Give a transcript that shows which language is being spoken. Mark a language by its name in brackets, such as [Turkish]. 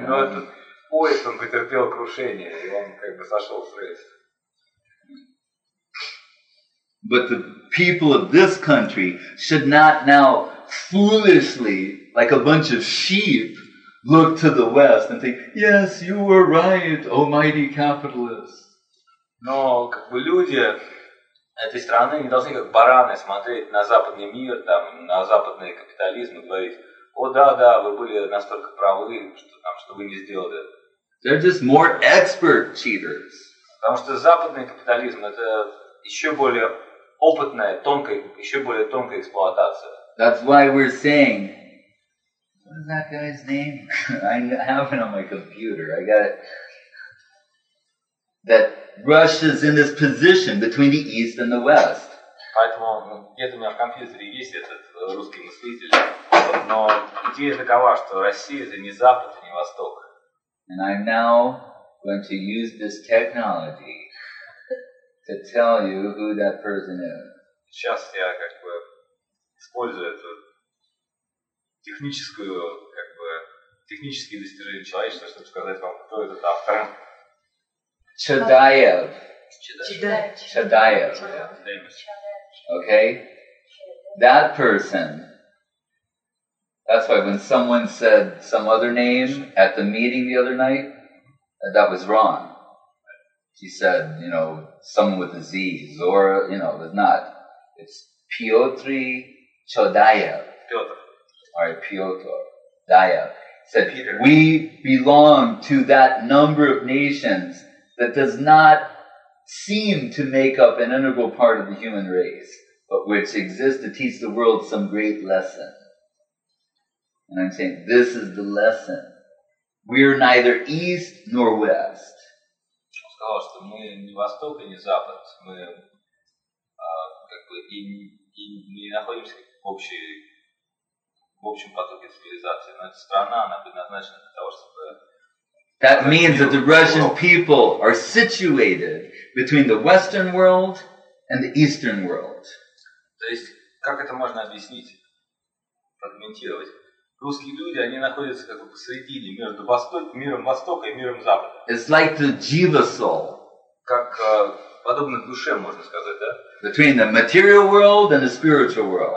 [Russian] Но этот поезд он потерпел крушение, и он как бы сошел с рельс. [English] But the people of this country should not now foolishly, like a bunch of sheep, look to the West and think, "Yes, you were right, almighty capitalist." [Russian] Но как бы люди этой страны не должны как бараны смотреть на западный мир, там, на западный капитализм и говорить, о да, вы были настолько правы, что, там, что вы не сделали. [English] They're just more expert cheaters. [Russian] Потому что западный капитализм это еще более опытная, тонкая, еще более тонкая эксплуатация. [English] That's why we're saying, what is that guy's name? I have it on my computer, I got it. That Russia's in this position between the East and the West. [Russian] Поэтому где-то у меня в компьютере есть этот русский мыслитель, но идея такова, что Россия это не Запад, не Восток. [English] And I'm now going to use this technology to tell you who that person is. [Russian] Сейчас я как бы использую эту техническую, как бы технические достижения человечества, чтобы сказать вам, кто этот автор. [English] Chadayev. Chadayev. Okay? That person. That's why when someone said some other name at the meeting the other night, that was wrong. She said, you know, someone with a Z. Zora, you know, was not. It's Pyotr Chadayev. Pyotr. All right, Pyotr. Dayev. Said, Peter. We belong to that number of nations that does not seem to make up an integral part of the human race, but which exists to teach the world some great lesson. And I'm saying, this is the lesson. We are neither East nor West. [Russian] Он сказал, что мы не Восток и не Запад. Мы как бы и не находимся в общем потоке цивилизации. Но эта страна, она предназначена для того, чтобы... [English] That means that the Russian people are situated between the Western world and the Eastern world. [Russian] То есть, как это можно объяснить, аргументировать? Русские люди, они находятся как бы посредине между миром Востока и миром Запада. [English] It's like the jiva soul. [Russian] Как подобно душе, можно сказать, да? [English] Between the material world and the spiritual world.